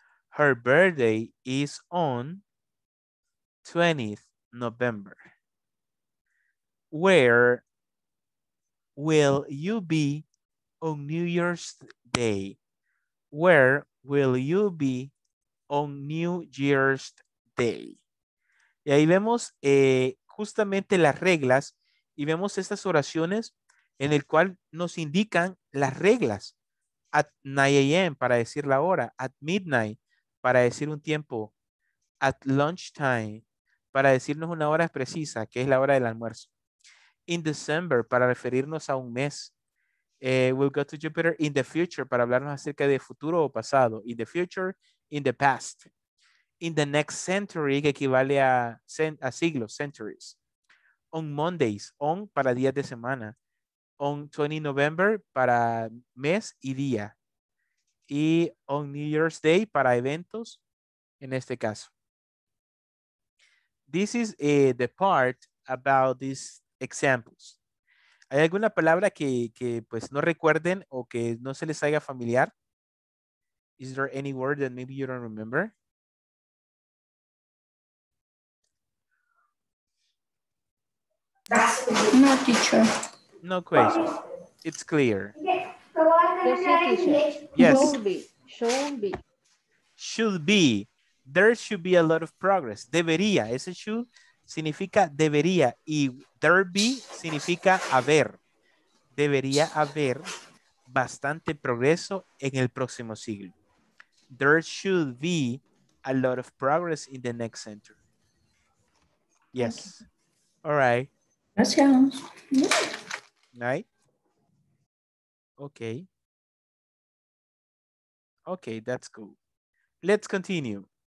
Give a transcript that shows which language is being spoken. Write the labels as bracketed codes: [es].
[en] Her birthday is on 20th November. Where will you be on New Year's Day? Where will you be on New Year's Day? [es] Y ahí vemos justamente las reglas y vemos estas oraciones en el cual nos indican las reglas. [en] At 9 a.m. [es] para decir la hora. [en] At midnight [es] para decir un tiempo. [en] At lunchtime [es] para decirnos una hora precisa, que es la hora del almuerzo. [en] In December [es] para referirnos a un mes. [en] We'll go to Jupiter in the future [es] para hablarnos acerca de futuro o pasado. [en] In the future, in the past. In the next century, [es] que equivale a siglos, [en] centuries. On Mondays, [es] on para días de semana. [en] On 20 November [es] para mes y día. Y [en] on New Year's Day [es] para eventos, en este caso. [en] This is the part about these examples. [es] ¿Hay alguna palabra que pues no recuerden o que no se les haga familiar? [en] Is there any word that maybe you don't remember? No, teacher. No question. It's clear. Yes. Yes. Should be. There should be a lot of progress. [es] Debería. Ese should significa debería. Y [en] there be [es] significa haber. Debería haber bastante progreso en el próximo siglo. [en] There should be a lot of progress in the next century. Yes. All right. [es] Gracias. [en] Night. Okay. Okay, that's cool. Let's continue.